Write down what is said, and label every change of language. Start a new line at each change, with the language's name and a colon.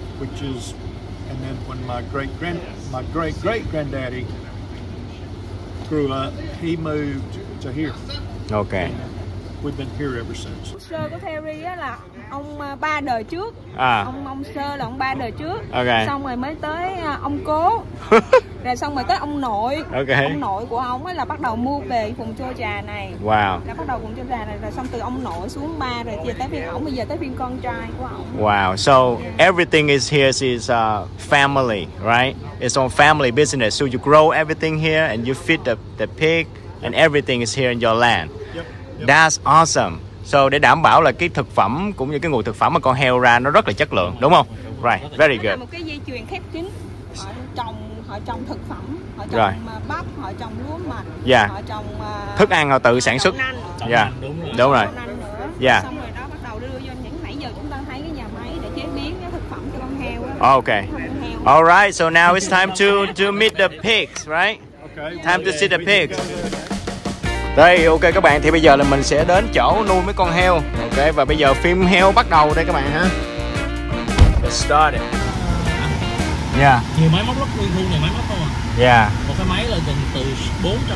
English: Which is and then when my great great granddaddy grew up, he moved to here. Okay. We've been here ever since.
Vietnamese: Sơ của Terry á là ông ba đời trước. À. Ông sơ là ông ba đời trước.
English: Okay.
Vietnamese: Xong rồi mới tới ông cố. Rồi xong rồi tới ông nội.
English: Okay.
Vietnamese: Ông nội của ông á là bắt đầu mua về vùng Châu Trà này.
English: Wow.
Vietnamese: Là bắt đầu vùng Châu Trà này rồi xong từ ông nội xuống ba rồi giờ tới phiên ông bây giờ tới phiên con trai của ông.
English: Wow. So yeah. Everything is here is family, right? It's on family business. So you grow everything here and you feed the pig and everything is here in your land. That's awesome.
Vietnamese: So để đảm bảo là cái thực phẩm cũng như cái nguồn thực phẩm mà con heo ra nó rất là chất lượng, đúng không?
English: Right, very good.
Vietnamese: Đó là một cái dây chuyền khép kín. Họ trồng thực phẩm, họ trồng rồi. Bắp, họ trồng lúa mạch,
English: yeah.
Vietnamese: Họ trồng thức ăn họ tự sản xuất.
English: Yeah.
Vietnamese: Đúng rồi.
English: Yeah.
Vietnamese: Xong rồi đó bắt đầu đưa vô những nãy giờ chúng ta thấy cái nhà máy để chế biến cái thực phẩm cho con heo.
English: Okay. All right, so now it's time to meet the pigs, right? Okay. Time to see the pigs.
Vietnamese: Đây, ok các bạn, thì bây giờ là mình sẽ đến chỗ nuôi mấy con heo. Ok, và bây giờ phim heo bắt đầu đây các bạn ha.
English: Let's start it. Yeah.
Vietnamese: Nhiều máy móc rất nguyên thu, nhiều máy móc không ạ?
English: Yeah.
Vietnamese: Một cái máy là gần từ 400.000, 200.000